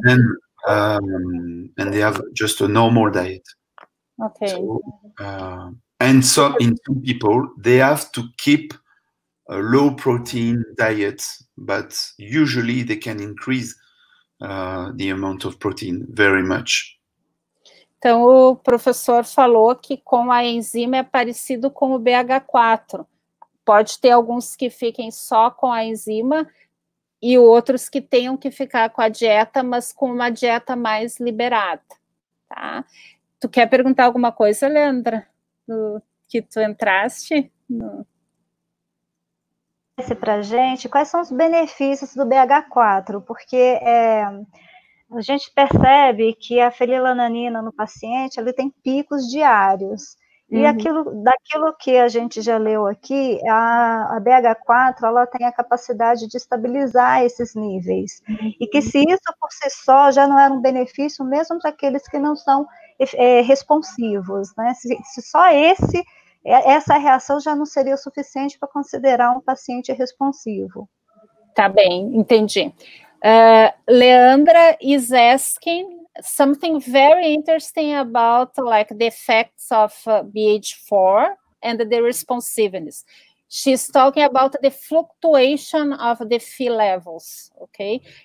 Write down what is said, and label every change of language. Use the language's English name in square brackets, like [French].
[English] And they have just a normal diet. Okay. So in some people, they have to keep a low protein diet, but usually they can increase the amount of protein very much. [Portuguese] Então, o professor falou que com a enzima é parecido com o BH4. Pode ter alguns que fiquem só com a enzima e outros que tenham que ficar com a dieta, mas com uma dieta mais liberada. Tá? Tu quer perguntar alguma coisa, Leandra? Que tu entraste? Esse pra gente, quais são os benefícios do BH4? Porque a gente percebe que a fenilalanina no paciente, ele tem picos diários. E daquilo que a gente já leu aqui, a BH4, ela tem a capacidade de estabilizar esses níveis. E que se isso por si só já não era um benefício, mesmo para aqueles que não são responsivos, né? Se só essa reação já não seria o suficiente para considerar um paciente responsivo. Tá bem, entendi. [English] Leandra is asking something very interesting about like the effects of BH4 and the responsiveness. She's talking about the fluctuation of the Phe levels, okay?